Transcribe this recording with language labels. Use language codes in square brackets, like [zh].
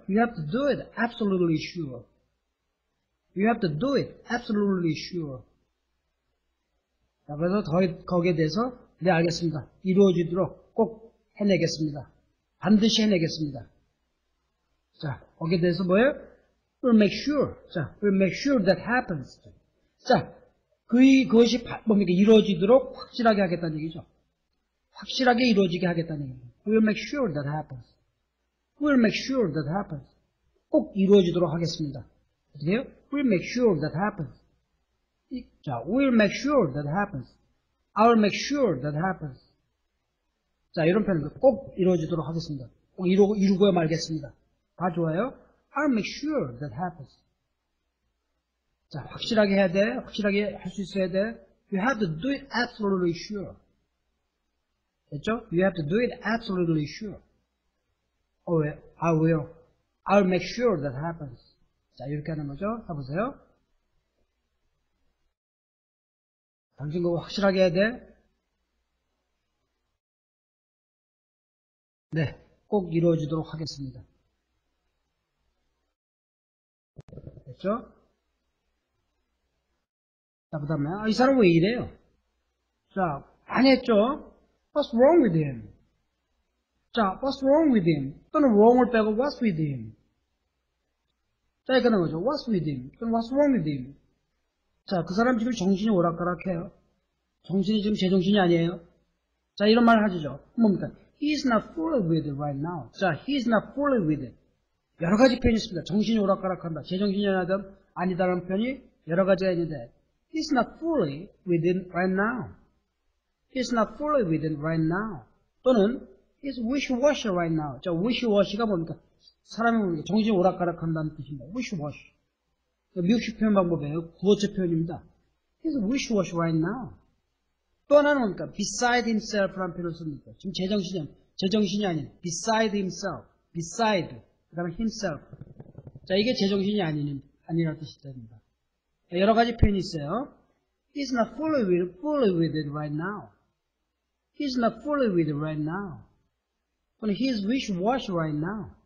[en] You have to do it absolutely sure. You have to do it absolutely sure. [ko] 자, 그래서 거기에 대해서, 네, 알겠습니다. 이루어지도록 꼭 해내겠습니다. 반드시 해내겠습니다. 자, 거기에 대해서 뭐예요? [en] We'll make sure. 자, we'll make sure that happens. [ko] 자, 그것이 뭡니까? 이루어지도록 확실하게 하겠다는 얘기죠. 확실하게 이루어지게 하겠다는 얘기죠. [en] We'll make sure that happens. We'll make sure that happens. [ko] 꼭 이루어지도록 하겠습니다. 어떻게 해요? [en] We'll make sure that happens. 자, We'll make sure that happens. I'll make sure that happens. [ko] 자, 이런 표현을 꼭 이루어지도록 하겠습니다. 꼭 이루고야 말겠습니다. 다 좋아요? [en] I'll make sure that happens. [ko] 자, 확실하게 해야 돼. 확실하게 할 수 있어야 돼. [en] You have to do it absolutely sure. [ko] 됐죠? [en] You have to do it absolutely sure. Oh, I will. I'll make sure that happens. [ko] 자, 이렇게 하는 거죠. 해보세요. 당신 그거 확실하게 해야 돼. 네, 꼭 이루어지도록 하겠습니다. 됐죠? 자, 그 다음에, 아, 이 사람 왜 이래요? [en] 자, [ko] 안 했죠? [en] What's wrong with him? 자, what's wrong with him? [ko] 또는 wrong을 빼고 [en] what's with him? [ko] 자, 이렇게 하는 거죠. [en] what's with him? [ko] 또는 [en] what's wrong with him? [ko] 자, 그 사람 지금 정신이 오락가락해요. 정신이 지금 제정신이 아니에요. 자, 이런 말을 하죠. 뭡니까? [en] He's not fooling with it right now. 자, he's not fooling with it. [ko] 여러 가지 표현이 있습니다. 정신이 오락가락한다. 제정신이 아니다. 아니다라는 표현이 여러 가지가 있는데 [en] He's not fooling with it right now. He's not fooling with it right now. 또는 It's wishy-washy right now. [ko] 자, wishy-washy가 뭡니까? 사람이 뭡니까? 정신이 오락가락한다는 뜻입니다. [en] wishy-washy. [ko] 미국식 표현 방법이에요. 구어체 표현입니다. [en] It's wishy-washy right now. [ko] 또 하나는 뭡니까? [en] beside himself [ko] 라는 표현을 씁니다. 지금 제정신이 아닌 beside himself. beside. 그 다음에 himself. 자, 이게 제정신이 아니라는 뜻입니다. 여러 가지 표현이 있어요. [en] He's not fully with it right now. He's not fully with it right now. But he's wishy-washy right now.